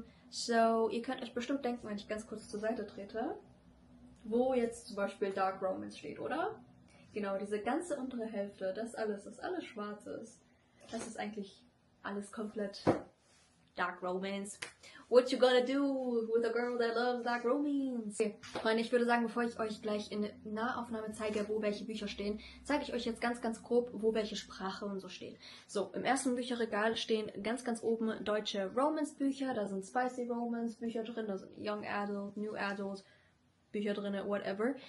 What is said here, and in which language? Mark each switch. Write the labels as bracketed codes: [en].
[de] So, ihr könnt euch bestimmt denken, wenn ich ganz kurz zur Seite trete, wo jetzt zum Beispiel Dark Romance steht, oder? Genau, diese ganze untere Hälfte, das alles schwarz ist. Das ist eigentlich alles komplett Dark Romance. [en] What you gonna do with a girl that loves Dark Romance? [de] Okay, Freunde, ich würde sagen, bevor ich euch gleich in Nahaufnahme zeige, wo welche Bücher stehen, zeige ich euch jetzt ganz, ganz grob, wo welche Sprache und so stehen. So, im ersten Bücherregal stehen ganz, ganz oben deutsche Romance-Bücher. Da sind Spicy Romance-Bücher drin, da sind Young Adult, New Adult Bücher drin, whatever.